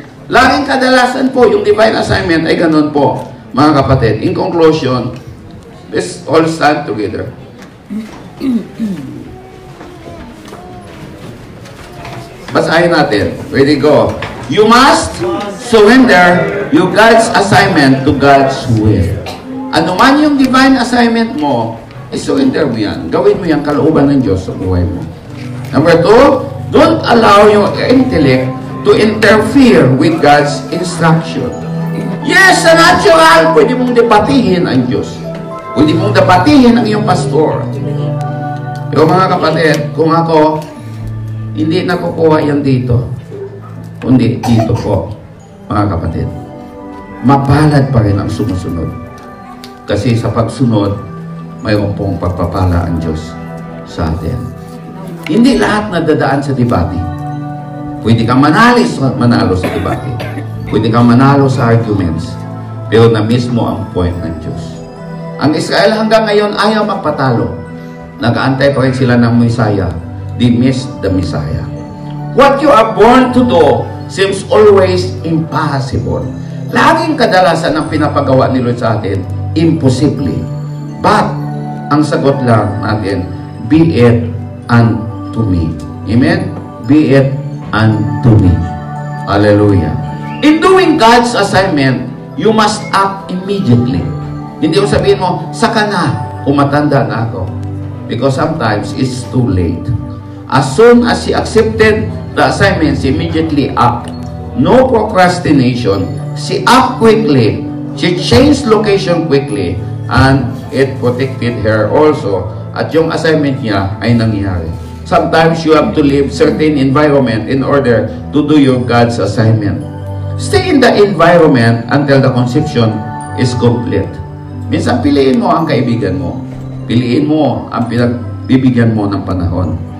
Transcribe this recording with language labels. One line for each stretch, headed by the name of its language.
Filipino: Laging kadalasan po, yung divine assignment ay ganun po. Mga kapatid,
English: in conclusion, let's all stand together.
Filipino: Basahin natin. Ready, go.
English: You must surrender your God's assignment to God's will.
Filipino: Ano man yung divine assignment mo, surrender mo yan. Gawin mo yan kalooban ng Diyos sa buhay mo.
English: Number two, don't allow your intellect to interfere with God's instruction.
Filipino: Yes, sa natural, pwede mong debatihin ang Diyos. Pwede mong debatihin ang iyong pastor. Pero mga kapatid, kung ako, hindi nakukuha yan dito. Kundi dito po, mga kapatid. Mapalad pa rin ang sumusunod. Kasi sa pagsunod, mayroon pong pagpapala ang Diyos sa atin. Hindi lahat nadadaan sa debate. Pwede kang manalo sa debate. Pwede kang manalo sa arguments, pero na-miss mo ang point ng Diyos. Ang Israel hanggang ngayon ayaw magpatalo. Nag-aantay pa rin sila ng Messiah.
English: They miss the Messiah. What you are born to do seems always impossible.
Filipino: Laging kadalasan ang pinapagawa ni Lord sa atin, impossibly.
English: But,
Filipino: ang sagot lang natin,
English: be it unto me. Amen? Be it unto me. Hallelujah. In doing God's assignment, you must act immediately.
Filipino: Hindi mo sabihin mo, saka na, umatanda na ako.
English: Because sometimes, it's too late. As soon as he accepted the assignment, he immediately act. No procrastination. He act quickly. She changed location quickly. And it protected her also.
Filipino: At yung assignment niya ay nangyari.
English: Sometimes you have to leave certain environment in order to do your God's assignment. Stay in the environment until the conception is complete.
Filipino: Minsan piliin mo ang kaibigan mo. Piliin mo ang pinagbibigyan mo ng panahon.